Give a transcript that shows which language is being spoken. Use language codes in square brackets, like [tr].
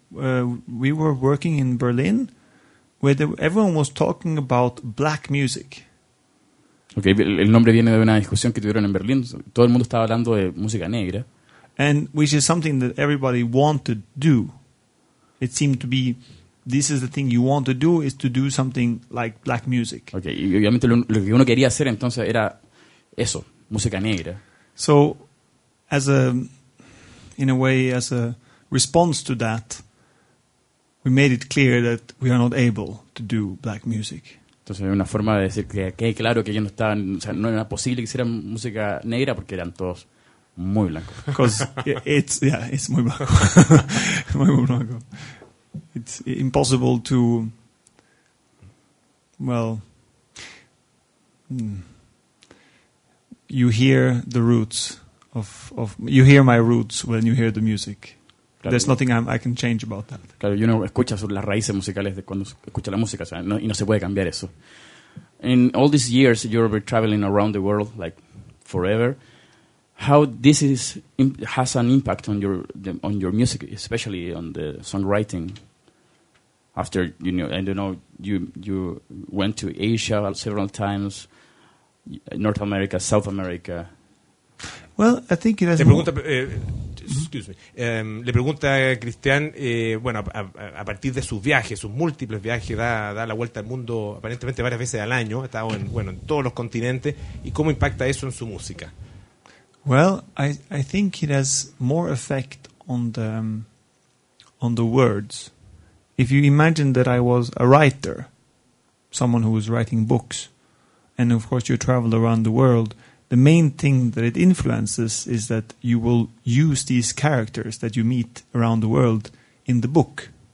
[en] we were working in Berlin where everyone was talking about black music. [es] Okay, el nombre viene de una discusión que tuvieron en Berlín. Todo el mundo estaba hablando de música negra. [en] And which is something that everybody wanted to do. It seemed to be, this is the thing you want to do, is to do something like black music. [es] Okay, y obviamente lo que uno quería hacer entonces era eso, música negra. [en] So, as a, in a way, as a response to that, we made it clear that we are not able to do black music. [es] Entonces hay una forma de decir que claro que ellos no estaban, o sea, no era posible que hicieran música negra porque eran todos muy blancos. [en] Because it's [es] muy blanco. Muy blanco. [en] It's impossible to, well, you hear the roots of you hear my roots when you hear the music. [es] Claro. [en] There's nothing I can change about that. [es] Claro, uno escucha sobre las raíces musicales de cuando escucha la música, o sea, no, y no se puede cambiar eso. [en] In all these years you've been traveling around the world like forever, how this is has an impact on your the, on your music, especially on the songwriting. After you know, I don't know, you went to Asia several times, North America, South America. Well, I think it has. [es] Le pregunta, [en] excuse me. [es] Le pregunta Cristian, bueno, a partir de sus viajes, sus múltiples viajes, da la vuelta al mundo aparentemente varias veces al año, ha estado en bueno en todos los continentes, y cómo impacta eso en su música. [en] Well, I think it has more effect on the words. If you imagine that I was a writer, someone who was writing books, and of course you travel around the world, the main thing that it influences is that you will use these characters that you meet around the world in the book.